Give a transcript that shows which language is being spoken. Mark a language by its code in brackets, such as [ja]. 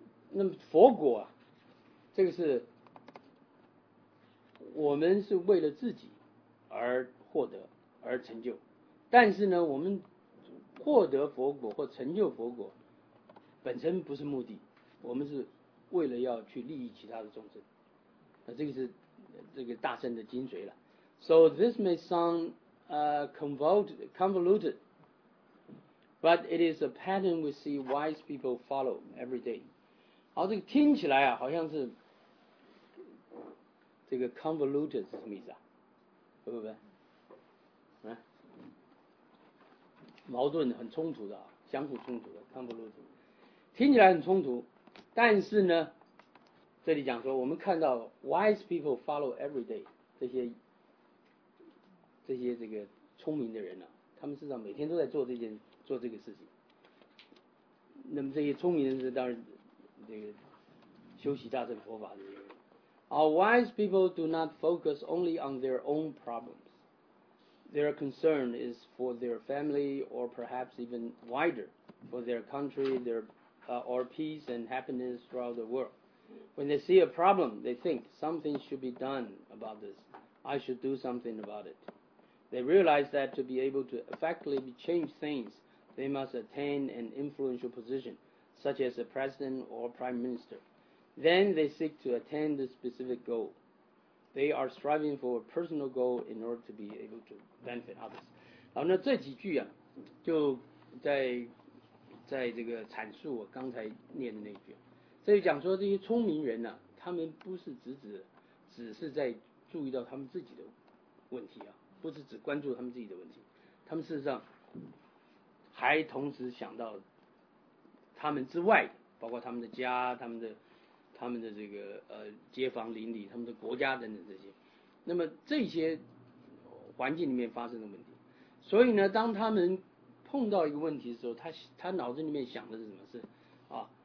[zh] 那么佛果啊，这个是我们是为了自己而获得而成就，但是呢，我们获得佛果或成就佛果本身不是目的，我们是为了要去利益其他的众生。那这个是这个大乘的精髓了。 [en] So this may sound convoluted, but it is a pattern we see wise people follow every day. [zh] 好，这个听起来啊好像是这个 convoluted 是什么意思啊？不矛盾很冲突的、啊、相互冲突的 convoluted， 听起来很冲突，但是呢这里讲说我们看到 [en] wise people follow every day， [zh] 这些这个聪明的人呢、啊，他们至少每天都在做这个事情。那么这些聪明人是当然这个修习大乘佛法的人。 [en] Our wise people do not focus only on their own problems. Their concern is for their family, or perhaps even wider, for their country, their, or peace and happiness throughout the world. When they see a problem, they think something should be done about this. I should do something about it. They realize that to be able to effectively change things, they must attain an influential position, such as a president or prime minister. Then they seek to attain the specific goal. They are striving for a personal goal in order to be able to benefit others. [zh] 好，那这几句啊，就在这个阐述我刚才念的那句。这里讲说这些聪明人啊，他们不是只是在注意到他们自己的问题啊，不是只关注他们自己的问题，他们事实上还同时想到他们之外，包括他们的家，他们的这个街坊邻里，他们的国家等等这些，那么这些环境里面发生的问题，所以呢，当他们碰到一个问题的时候，他脑子里面想的是什么事啊？